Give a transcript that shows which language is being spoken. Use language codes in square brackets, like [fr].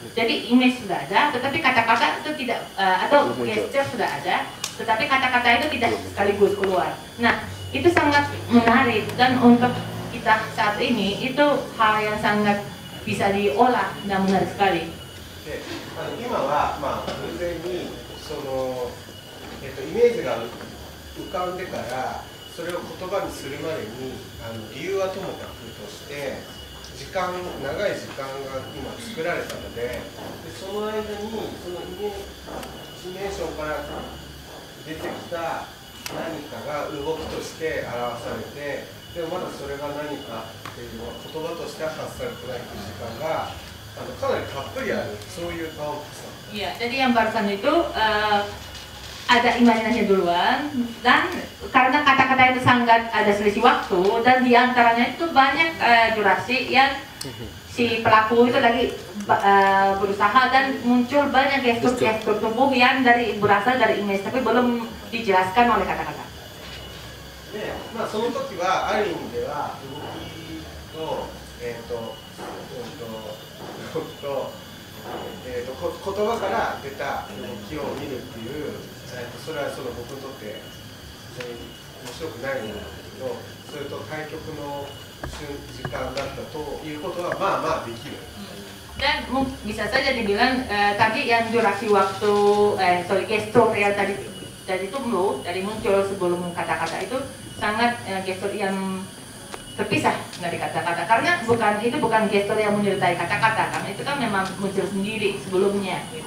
[id] Jadi image sudah ada, tetapi kata-kata itu tidak atau gesture sudah ada, tetapi kata-kata itu tidak sekaligus keluar. Nah, itu sangat menarik dan untuk kita saat ini itu hal yang sangat bisa diolah dan menarik sekali. Oke, ini, [ja] 時間長い時間が今作られたの でその間にそのイメージメーションから出てきた何かが動きとして表されて、でもまだそれが何かっていうのは言葉としては発されてないという時間がかなりたっぷりある、そういうパオプさん。 [id] いや、jadi yang barusan itu ada imajinasinya duluan dan karena kata-kata itu sangat ada selisih waktu dan diantaranya itu banyak durasi yang si pelaku itu lagi berusaha dan muncul banyak gestur-gestur tubuh yang dari berasal dari image tapi belum dijelaskan oleh kata-kata. [ja] Nah, その時はある意味では動きと言葉から出た動きを見るっていう。それはその僕にとって全然面白くないものだけど、それと対局の瞬時間だったということはまあまあできる。 [id] Dan bisa saja dibilang tadi yang durasi waktu sorry gestur yang tadi dari tumbuh, dari muncul sebelum kata-kata itu sangat gestur yang terpisah dari kata-kata. Karena bukan itu bukan gestur yang menyertai kata-kata, karena itu kan memang muncul sendiri sebelumnya.